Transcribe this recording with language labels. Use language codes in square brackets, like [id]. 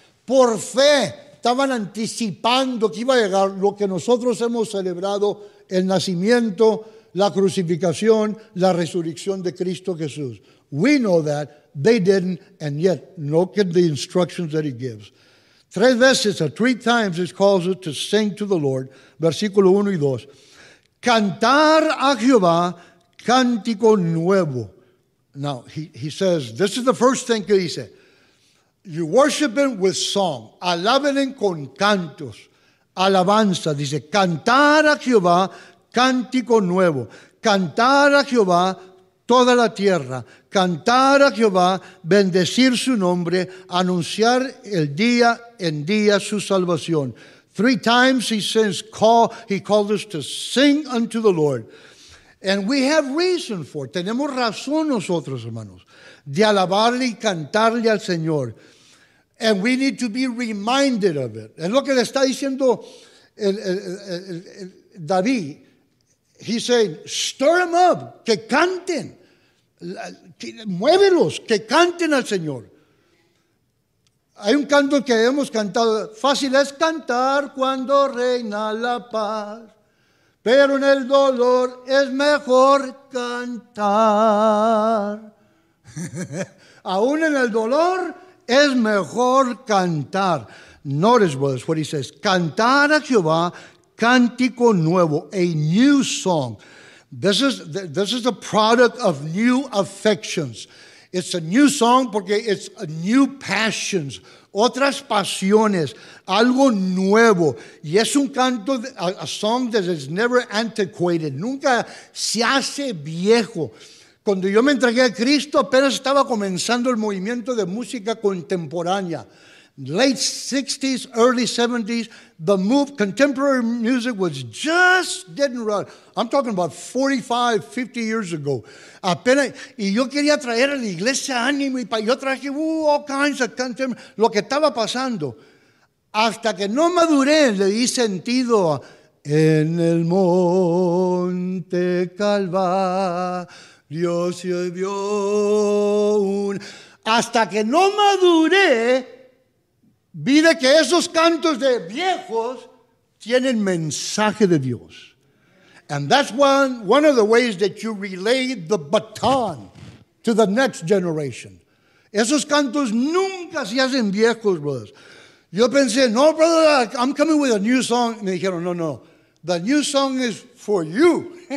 [es] Por fe, estaban anticipando que iba a llegar lo que nosotros hemos celebrado, el nacimiento, la crucificación, la resurrección de Cristo Jesús. [en] We know that. They didn't, and yet, look at the instructions that he gives. [es] Tres veces, [en] or three times, he calls us to sing to the Lord. [es] Versículo 1 y 2. Cantar a Jehová, cántico nuevo. [en] Now, he says, this is the first thing [es] que dice. [en] You worship him with song. [es] Alaben con cantos. Alabanza, dice, cantar a Jehová cántico nuevo. Cantar a Jehová toda la tierra. Cantar a Jehová, bendecir su nombre, anunciar el día en día su salvación. [en] Three times he called us to sing unto the Lord. And we have reason for it. [es] Tenemos razón nosotros, hermanos, de alabarle y cantarle al Señor. [en] And we need to be reminded of it. [es] Es lo que le está diciendo David. [en] He's saying, stir them up, [es] que canten. Muévelos, que canten al Señor. Hay un canto que hemos cantado. Fácil es cantar cuando reina la paz, pero en el dolor es mejor cantar. Aún en el dolor es mejor cantar. [en] Notice, brothers, what he says. [es] Cantar a Jehová cántico nuevo, [en] a new song. This is a product of new affections. It's a new song [es] porque [en] it's a new passions. [es] Otras pasiones, algo nuevo. Y es un canto, a song that is never antiquated. Nunca se hace viejo. Cuando yo me entregué a Cristo, apenas estaba comenzando el movimiento de música contemporánea. [en] Late 60s, early 70s, the move, contemporary music was just getting run. I'm talking about 45, 50 years ago. [es] Apenas, y yo quería traer a la iglesia ánimo, y yo traje [en] all kinds of contemporary, [es] lo que estaba pasando. Hasta que no maduré, le di sentido a, en el monte Calvario, Dios se vio un... Hasta que no maduré, vi de que esos cantos de viejos tienen mensaje de Dios. [en] And that's one of the ways that you relay the baton to the next generation. [es] Esos cantos nunca se hacen viejos, brothers. Yo pensé, no, [en] brother, I'm coming with a new song. [es] Me dijeron, [en] no, no, the new song is for you.